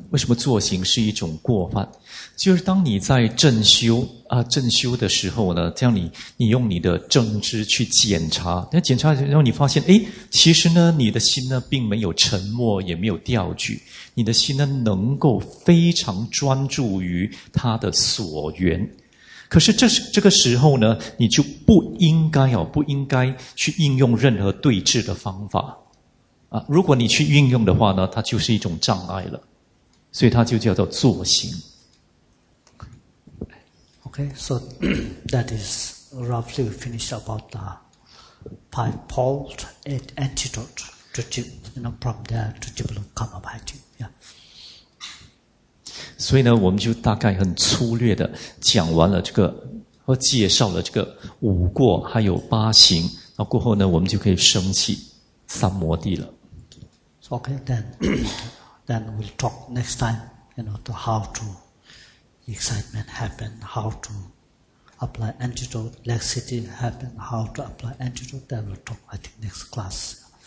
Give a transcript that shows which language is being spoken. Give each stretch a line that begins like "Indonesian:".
Chinese: 为什么坐行是一种过犯？就是当你在正修啊，正修的时候呢，这样你用你的正知去检查，那检查然后你发现，哎，其实呢，你的心呢并没有沉默，也没有掉举，你的心呢能够非常专注于它的所缘。可是这个时候呢，你就不应该去应用任何对治的方法。啊，如果你去运用的话呢，它就是一种障碍了，所以它就叫做坐行。
English: Okay, so that is roughly we finish about the five poles, eight antidotes to develop, you know, from there to develop karma bhakti. Yeah.
Chinese: 所以呢，我们就大概很粗略的讲完了这个，和介绍了这个五过还有八行。那过后呢，我们就可以升起三摩地了。
English: Okay, then we'll talk next time, you know, to how to excitement happen, how to apply antidote, laxity happen, how to apply antidote, that we'll talk, I think, next class.